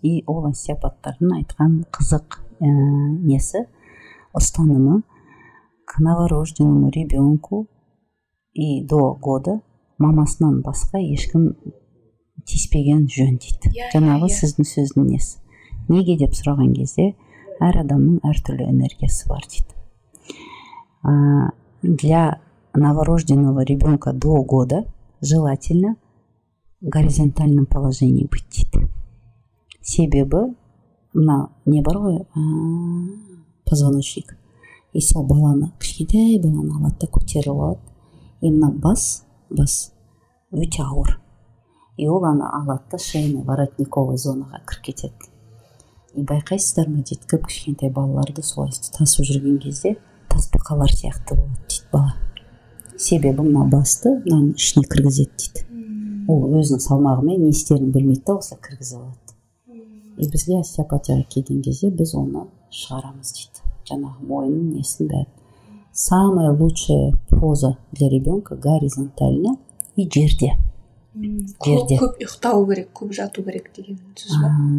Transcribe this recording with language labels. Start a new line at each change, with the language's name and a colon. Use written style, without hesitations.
Kazakh: И ол остеопаттардың айтқан қызық несі, ұстанымы,
Russian: к новорожденному ребенку и до года
Kazakh: мамасынан басқа ешкім тиіспеген жөн дейді. Жаңағы сіздің сөздің несі. Неге деп сұраған кезде, әр адамның әртүрлі энергиясы бар дейді.
Russian: Для новорожденного ребенка до года желательно горизонтальном положении быть дейді.
Kazakh: Себебі мына не бар ғой, позвоночник. И сол баланы, кішкентай баланы алады да көтеріп алады. И мына бас өте ауыр. И ол ана алады да
Russian: шейный воротниковый
Kazakh: зонаға кіріп кетеді. И байқайсыздар ма дейді, көп кішкентай балаларды солай тасып жүрген кезде таспа қалар сияқты болады дейді бала. Себебі мына басты мынаның ішіне кіргізеді дейді. Ол өзінің салмағымен не істерін білмейді де осылай кіргізіп алады. И бізге остеопатияға келген кезде біз оны шығарамыз дейді. Жаңағы мойнын несін бәрі.
Russian: Самая лучшая поза для ребенка горизонтально и жерде.
Kazakh: Жерде. Көп ұйықтау керек, көп жату керек деген сөз ба?